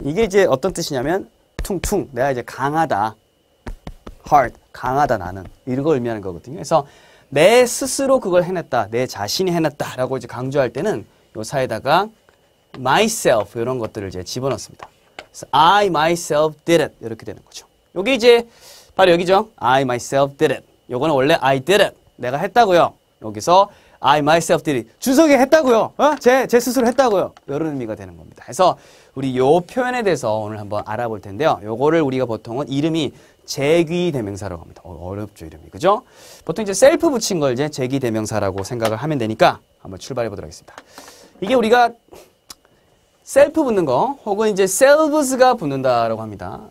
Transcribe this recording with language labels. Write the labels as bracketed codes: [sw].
[ko] 이게 이제 어떤 뜻이냐면 퉁퉁, 내가 이제 강하다. Hard, 강하다 나는. 이런 걸 의미하는 거거든요. 그래서 내 스스로 그걸 해냈다, 내 자신이 해냈다라고 이제 강조할 때는 요 사이에다가 myself 이런 것들을 이제 집어넣습니다. [en] I myself did it [ko] 이렇게 되는 거죠. 여기 이제 바로 여기죠. [en] I myself did it. [ko] 요거는 원래 [en] I did it. [ko] 내가 했다고요. 여기서 [en] I myself did it. [ko] 준석이 했다고요. 어? 제 스스로 했다고요. 이런 의미가 되는 겁니다. 그래서 우리 요 표현에 대해서 오늘 한번 알아볼 텐데요. 요거를 우리가 보통은 이름이 제귀대명사라고 합니다. 어렵죠, 이름이. 그죠? 보통 이제 셀프 붙인 걸 이제 제귀대명사라고 생각을 하면 되니까 한번 출발해 보도록 하겠습니다. 이게 우리가 셀프 붙는 거 혹은 이제 셀브스가 붙는다라고 합니다.